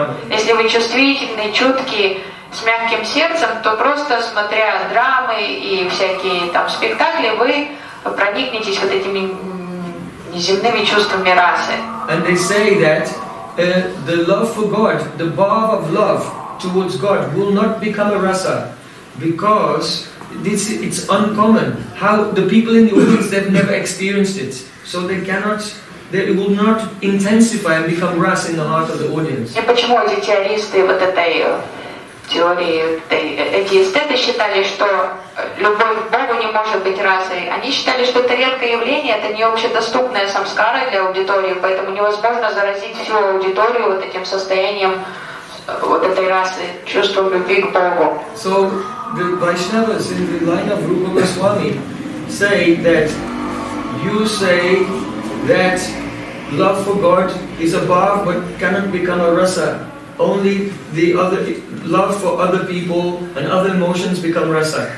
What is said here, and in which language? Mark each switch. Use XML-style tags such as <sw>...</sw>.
<ru>Если вы чувствительны, чуткие, с мягким сердцем, то просто смотря драмы и всякие там спектакли, вы проникнетесь вот этими неземными чувствами расы.</ru> <en>And they say that the love for God, the bhava of love towards God, will not become a rasa, because this it's uncommon. How the people in the audience they've never experienced it, so they cannot. That it will not intensify and become rasa in the heart of the audience.</en> <ru>И почему эти теористы вот этой теории, эти эстеты считали, что любовь к Богу не может быть расой? Они считали, что это редкое явление, это не общедоступная самскара для аудитории, поэтому невозможно заразить всю аудиторию вот этим состоянием вот этой расы, чувством любви к Богу.</ru> <en>So the Vaishnavas in the line of Rupa Goswami say that you say that love for God is a bhava but cannot become a rasa. Only the other love for other people and other emotions become rasa.</en>